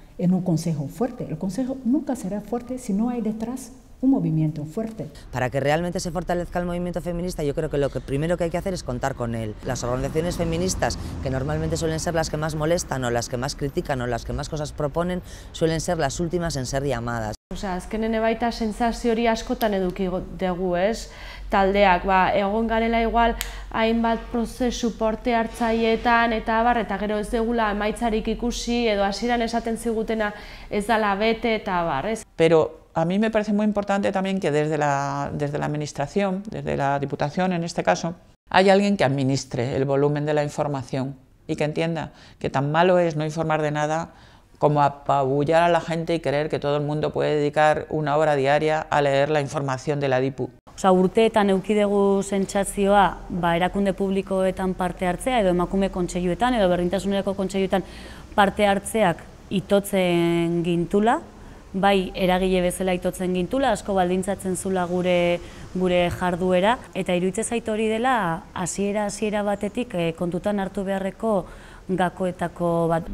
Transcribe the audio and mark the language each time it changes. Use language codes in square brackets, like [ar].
[es] en un consejo fuerte. El consejo nunca será fuerte si no hay detrás un movimiento fuerte. Para que realmente se fortalezca el movimiento feminista, yo creo que lo que primero que hay que hacer es contar con él. Las organizaciones feministas, que normalmente suelen ser las que más molestan o las que más critican o las que más cosas proponen, suelen ser las últimas en ser llamadas. [eu] O sea, azkenen ebaita sensazio hori askotan eduki dugu, ez? Taldeak, ba, egon garela igual hainbat prozesu parte hartzaileetan eta abar, eta gero ez degula emaitzarik ikusi edo hasieran esaten zigutena ez dala bete eta abar, ez? [es] Pero a mí me parece muy importante también que desde la administración, desde la diputación en este caso, hay alguien que administre el volumen de la información y que entienda que tan malo es no informar de nada como apabullar a la gente y creer que todo el mundo puede dedicar una hora diaria a leer la información de la dipu. [eu] O sea, urteetan eukidegu sentsazioa, ba, erakunde publikoetan parte hartzea, edo emakume kontseiluetan, edo berdintasuneko kontseiluetan parte hartzeak itotzen gintula, bai, eragile bezala itotzen gintula, asko baldintzatzen zula gure jarduera, eta iruditzen zait hori dela hasiera batetik kontutan hartu beharreko gakoetako bat.